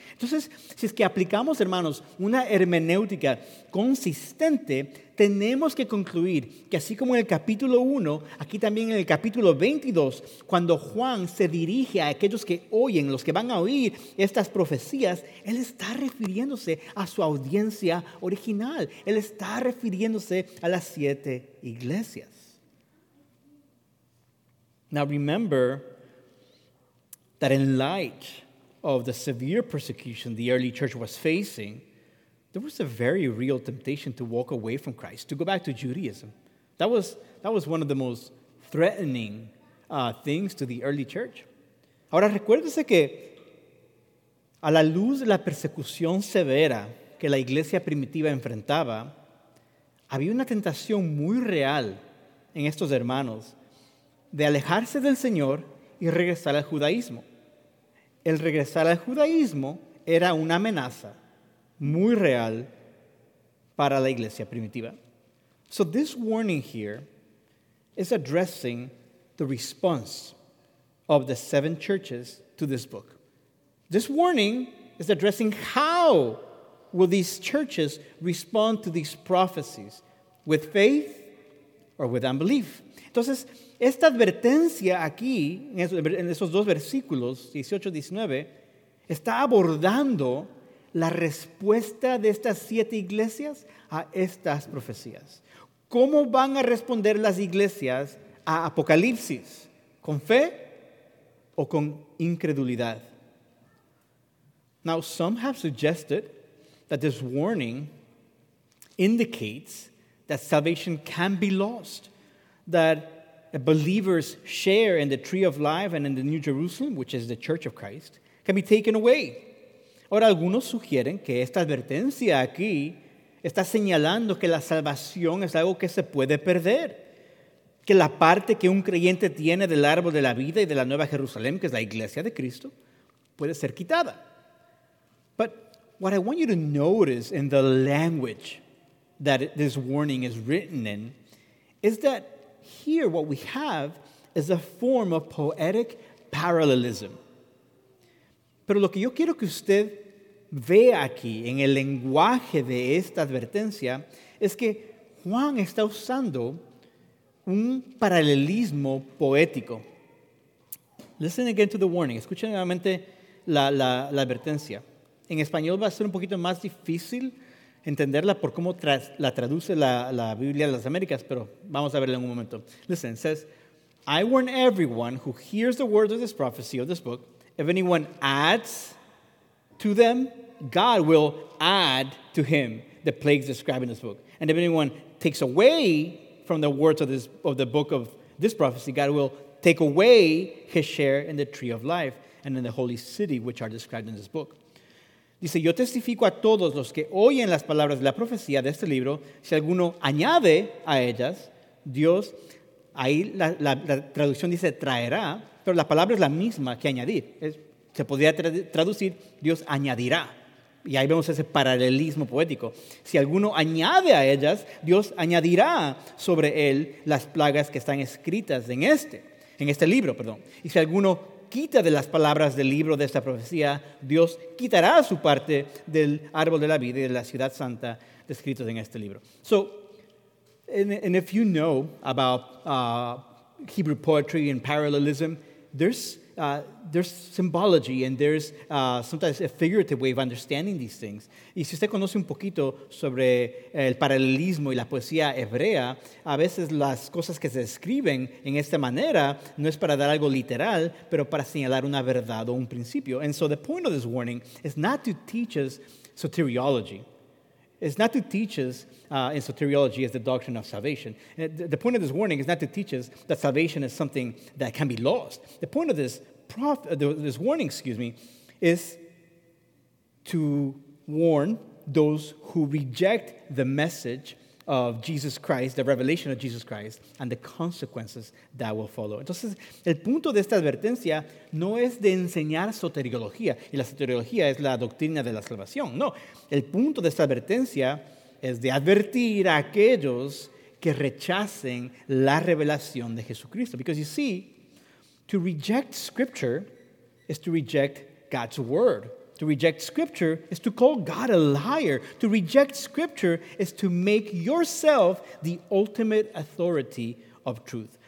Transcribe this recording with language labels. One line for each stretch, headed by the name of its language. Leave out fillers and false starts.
Spanish: Entonces, si es que aplicamos, hermanos, una hermenéutica consistente, tenemos que concluir que así como en el capítulo 1, aquí también en el capítulo 22, cuando Juan se dirige a aquellos que oyen, los que van a oír estas profecías, él está refiriéndose a su audiencia original. Él está refiriéndose a las 7 iglesias.
English: Now remember that in light of the severe persecution the early church was facing, there was a very real temptation to walk away from Christ, to go back to Judaism. That was one of the most threatening things to the early church.
Spanish: Ahora recuérdese que a la luz de la persecución severa que la iglesia primitiva enfrentaba, había una tentación muy real en estos hermanos de alejarse del Señor y regresar al judaísmo. El regresar al judaísmo era una amenaza muy real para la iglesia primitiva.
English: So this warning here is addressing the response of the seven churches to this book. This warning is addressing how will these churches respond to these prophecies, with faith or with unbelief.
Spanish: Entonces, esta advertencia aquí, en esos dos versículos, 18-19, está abordando la respuesta de estas siete iglesias a estas profecías. ¿Cómo van a responder las iglesias a Apocalipsis? ¿Con fe o con incredulidad?
English: Now, some have suggested that this warning indicates that salvation can be lost, that believers' share in the tree of life and in the New Jerusalem, which is the Church of Christ, can be taken away.
Spanish: Ahora, algunos sugieren que esta advertencia aquí está señalando que la salvación es algo que se puede perder, que la parte que un creyente tiene del árbol de la vida y de la Nueva Jerusalén, que es la Iglesia de Cristo, puede ser quitada.
English: But what I want you to notice in the language that this warning is written in is that here what we have is a form of poetic parallelism.
Spanish: Pero lo que yo quiero que usted vea aquí en el lenguaje de esta advertencia es que Juan está usando un paralelismo poético.
English: Listen again to the warning.
Spanish: Escuchen nuevamente la advertencia. En español va a ser un poquito más difícil entenderla por cómo la traduce la Biblia de las Américas, pero vamos a verla en un momento.
English: Listen, it says, I warn everyone who hears the words of this prophecy of this book, if anyone adds to them, God will add to him the plagues described in this book. And if anyone takes away from the words of the book of this prophecy, God will take away his share in the tree of life and in the holy city which are described in this book.
Spanish: Dice, yo testifico a todos los que oyen las palabras de la profecía de este libro, si alguno añade a ellas, Dios, ahí la traducción dice traerá, pero la palabra es la misma que añadir. Se podría traducir, Dios añadirá. Y ahí vemos ese paralelismo poético. Si alguno añade a ellas, Dios añadirá sobre él las plagas que están escritas en este libro. Y si alguno quita de las palabras del libro de esta profecía, Dios quitará su parte del árbol de la vida y de la ciudad santa descritos en este libro.
English: So, and if you know about Hebrew poetry and parallelism, there's symbology and there's sometimes a figurative way of understanding these things.
Spanish: Y si usted conoce un poquito sobre el paralelismo y la poesía hebrea, a veces las cosas que se escriben en esta manera no es para dar algo literal, pero para señalar una verdad o un principio.
English: And so the point of this warning is not to teach us soteriology. It's not to teach us in soteriology as the doctrine of salvation. The point of this warning is not to teach us that salvation is something that can be lost. The point of this warning is to warn those who reject the message of Jesus Christ, the revelation of Jesus Christ, and the consequences that will follow.
Spanish: Entonces, el punto de esta advertencia no es de enseñar soteriología, y la soteriología es la doctrina de la salvación. No, el punto de esta advertencia es de advertir a aquellos que rechacen la revelación de Jesucristo.
English: Because you see, to reject Scripture is to reject God's Word. To reject Scripture is to call God a liar. To reject Scripture is to make yourself the ultimate authority of truth.